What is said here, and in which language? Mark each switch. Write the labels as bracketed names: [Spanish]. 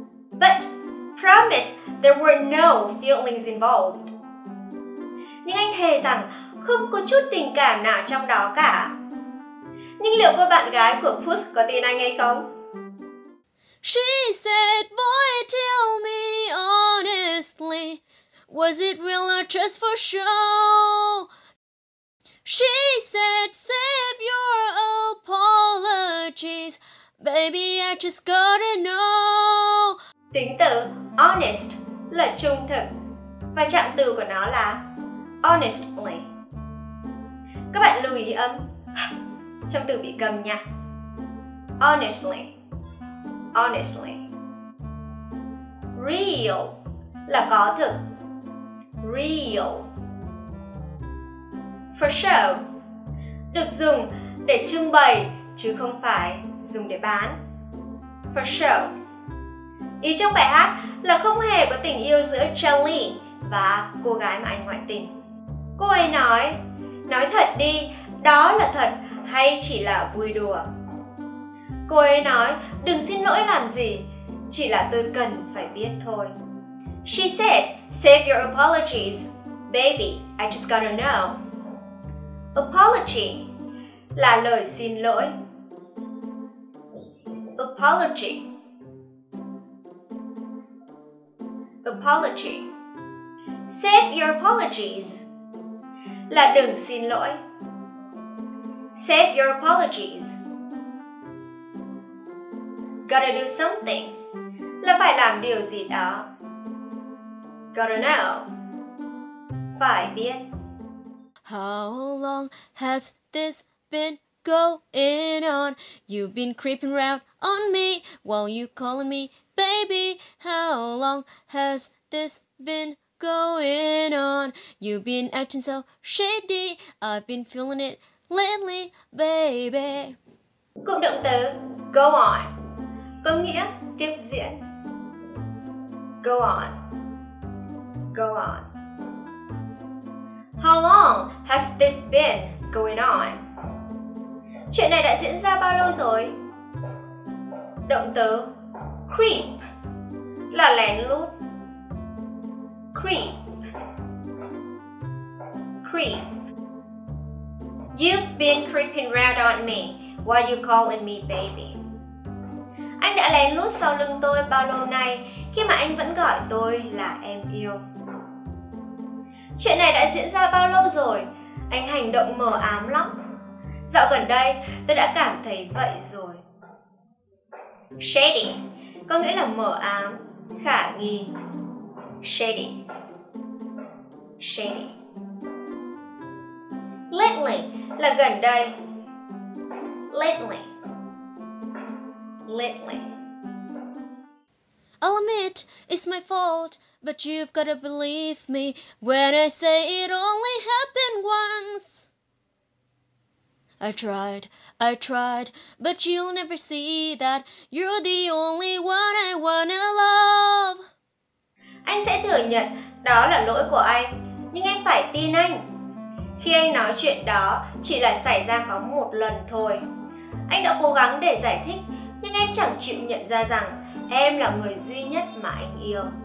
[English] But promise there were no feelings involved. [Vietnamese] Nhưng anh thề rằng không có chút tình cảm nào trong đó cả. Nhưng liệu cô bạn gái của Puth có tin anh hay không? [English] She said, boy, tell me honestly, was it real or just for show? She said, save your apologies, baby, I just gotta know. [Vietnamese] Tính từ honest là trung thực và trạng từ của nó là honestly. Các bạn lưu ý âm trong từ bị cầm nha. [English] Honestly. Honestly. Real [Vietnamese] là có thực. [English] Real. [Vietnamese] For show được dùng để trưng bày chứ không phải dùng để bán. For show. Ý trong bài hát là không hề có tình yêu giữa Charlie và cô gái mà anh ngoại tình. Cô ấy nói thật đi, đó là thật hay chỉ là vui đùa? Cô ấy nói, đừng xin lỗi làm gì, chỉ là tôi cần phải biết thôi. [English] She said, save your apologies, baby, I just gotta know. [Vietnamese] Apology là lời xin lỗi. [English] Apology. Apology. Save your apologies [Vietnamese] là đừng xin lỗi. [English] Save your apologies. [Vietnamese] Gotta do something là phải làm điều gì đó. [English] Gotta know. [Vietnamese] Phải biết. [English] How long has this been going on? You've been creeping around on me while you calling me baby. How long has this been going on? You've been acting so shady. I've been feeling it lately, baby. [Vietnamese] Cụm động từ go on có nghĩa tiếp diễn. [English] Go on, go on. How long has this been going on? [Vietnamese] Chuyện này đã diễn ra bao lâu rồi? Động từ creep là lén lút. [English] Creep, creep. You've been creeping around on me while you calling me baby. [Vietnamese] Anh đã lén lút sau lưng tôi bao lâu nay khi mà anh vẫn gọi tôi là em yêu. Chuyện này đã diễn ra bao lâu rồi? Anh hành động mờ ám lắm. Dạo gần đây, tôi đã cảm thấy vậy rồi. Shady có nghĩa là mờ ám, khả nghi. [English] Shady, shady. [Vietnamese] Lately là gần đây. Lately, lately. [English] I'll admit, it's my fault, but you've gotta believe me when I say it only happened once. I tried, but you'll never see that you're the only one I wanna love. [Vietnamese] Anh sẽ thừa nhận đó là lỗi của anh, nhưng em phải tin anh. Khi anh nói chuyện đó chỉ là xảy ra có một lần thôi. Anh đã cố gắng để giải thích, nhưng em chẳng chịu nhận ra rằng em là người duy nhất mà anh yêu.